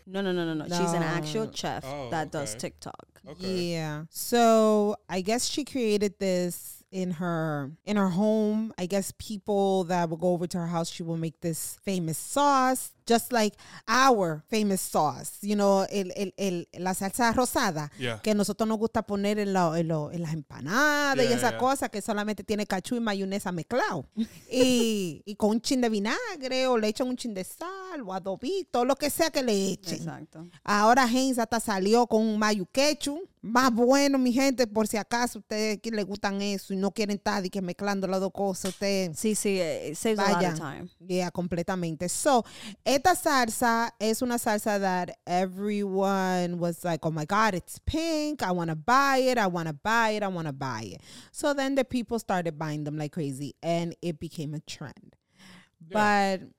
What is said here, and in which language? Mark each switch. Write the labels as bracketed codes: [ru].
[en] No. She's an actual chef does TikTok. Okay. Yeah. So I guess she created this in her home. I guess people that will go over to her house, she will make this famous sauce, just like our famous sauce, you know, [es] la salsa rosada, [en] yeah, [es] que nosotros nos gusta poner en las empanadas, yeah, y esa cosa que solamente tiene cachú y mayonesa mezclado y con un chin de vinagre, o le echan un chin de sal o adobito, lo que sea que le echen. Exacto. Ahora Heinz hasta salió con un mayo quechu. Más bueno, mi gente, por si acaso ustedes le gustan eso y no quieren estar y que mezclando las dos cosas, ustedes. Sí, sí, [en] saves vaya, a lot of time. [es] Yeah, completamente. [en] So, [es] esta salsa es una salsa [en] that everyone was like, oh my God, it's pink. I want to buy it. So then the people started buying them like crazy and it became a trend. Yeah. But